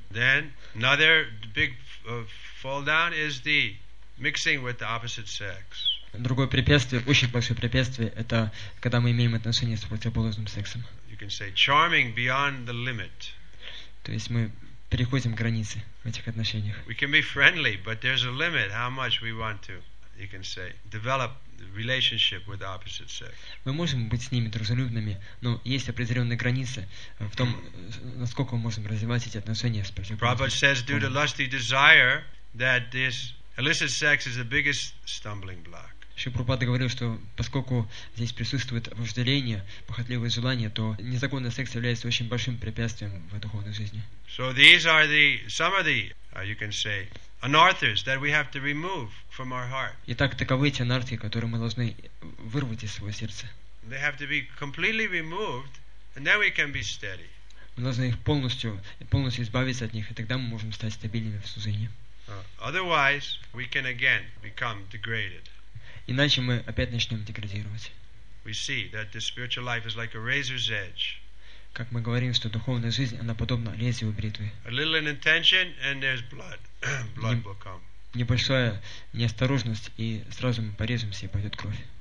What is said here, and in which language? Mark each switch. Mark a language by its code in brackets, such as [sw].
[en] Then another big fall down is the mixing with the opposite sex. [ru] Другое препятствие, очень большое препятствие, это когда мы имеем отношения с противоположным сексом. [en] You can say charming beyond the limit. [ru] То есть мы переходим границы в этих отношениях. [en] We can be friendly, but there's a limit how much we want to, you can say, develop. Relationship with opposite sex. [ru] Мы можем быть с ними дружелюбными, но есть определенные границы в том, насколько мы можем развивать эти отношения с противоположным. [en] Prabhupada says, due to lusty desire, that this illicit sex is the biggest stumbling block. [ru] Шри Прабхупада говорил, что поскольку здесь присутствует вожделение, похотливое желание, то незаконный секс является очень большим препятствием в духовной жизни. [en] So these are the some of the you can say. Anarthas that we have to remove from our heart. [ru] Итак, таковы те анархи, которые мы должны вырвать из своего сердца. [en] They have to be completely removed, and then we can be steady. [ru] Мы должны их полностью избавиться от них, и тогда мы можем стать стабильными в служении. [en] Otherwise, we can again become degraded. [ru] Иначе мы опять начнем деградировать. [en] We see that the spiritual life is like a razor's edge. [ru] Как мы говорим, что духовная жизнь, она подобна лезвию бритвы. [en] A little in intention, and there's blood. Blood will come. [ru] небольшая неосторожность, и сразу мы порежемся, и пойдет кровь.